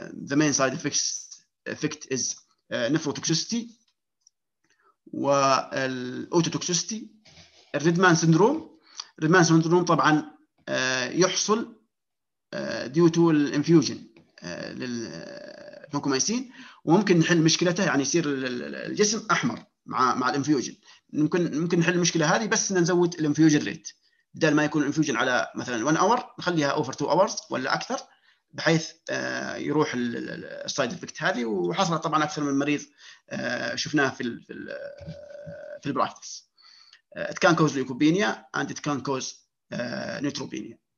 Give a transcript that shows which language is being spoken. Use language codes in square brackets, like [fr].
[en] The main side effect is nephrotoxicity والاوتوتوكسيستي. [ar] الريدمان سندروم. الريدمان سندروم طبعا يحصل [en] due to infusion [ar] للفانكومايسين وممكن نحل مشكلته يعني يصير الجسم احمر مع الانفيوجن. ممكن نحل المشكله هذه بس نزود الانفيوجن ريت بدل ما يكون الانفيوجن على مثلا 1 اور نخليها اوفر 2 اورز ولا اكثر بحيث يروح السايد افكت هذه. وحصلت طبعا اكثر من مريض شفناه في الـ في الـ في البراكتس. [en] It can cause leukopenia and it can cause neutropenia.